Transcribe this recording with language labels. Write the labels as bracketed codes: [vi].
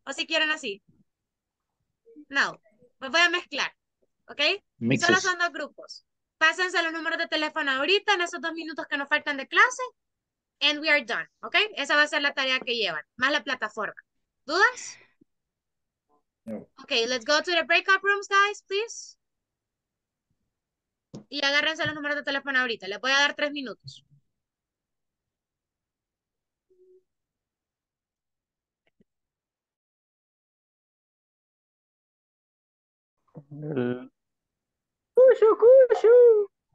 [es] O si quieren así. No, pues voy a mezclar, ¿ok? [en] Mixes. [es] Solo son dos grupos. Pásense los números de teléfono ahorita, en esos dos minutos que nos faltan de clase. [en] And we are done, [es] ¿ok? Esa va a ser la tarea que llevan, más la plataforma. ¿Dudas? No. [en] Ok, let's go to the breakout rooms, guys, please. [es] Y agárrense los números de teléfono ahorita, les voy a dar 3 minutos. Cuchu, cuchu.